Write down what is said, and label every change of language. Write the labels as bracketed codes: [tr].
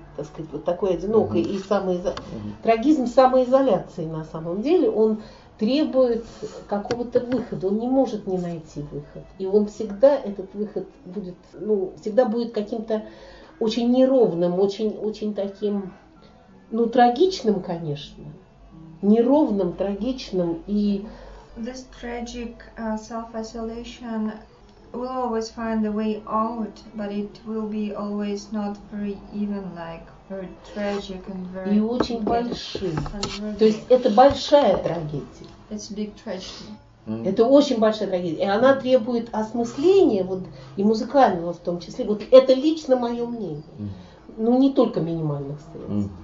[ru] Так сказать, вот такой одинокий и трагизм самоизоляции на самом деле, он требует какого-то выхода, он не может не найти выход. И он всегда, этот выход будет, ну, всегда будет каким-то очень неровным, очень таким, ну, трагичным, конечно. Неровным, трагичным и... [en] This tragic self-isolation will always find a way out, but it will be always not very even, like, [ru] и очень большим. То есть это большая трагедия. [en] It's a big tragedy. [ru] Это очень большая трагедия. И она требует осмысления, вот, и музыкального в том числе. Вот это лично мое мнение. Ну, не только минимальных средств.